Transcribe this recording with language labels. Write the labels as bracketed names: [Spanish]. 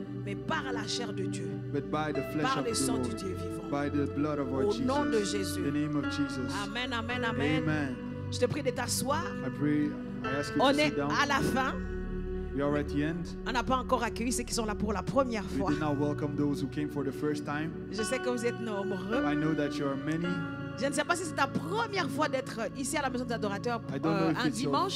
[French] mais par la chair de Dieu, [English] but by the flesh [French] par le sang [English] Lord, [French] du Dieu vivant, [English] by the blood of our [French] au [English] Jesus, [French] nom de Jésus. [English] The name of Jesus. Amen, amen, amen. Amen. [French] Je te prie de t'asseoir. [English] I ask you to sit down. [French] On est à la fin. [English] We are at the end. [French] On n'a pas encore accueilli ceux qui sont là pour la première fois. [English] We did not welcome those who came for the first time. [French] Je sais que vous êtes nombreux. [English] I know that you are many. [French] Je ne sais pas si c'est ta première fois d'être ici à la maison des adorateurs un dimanche.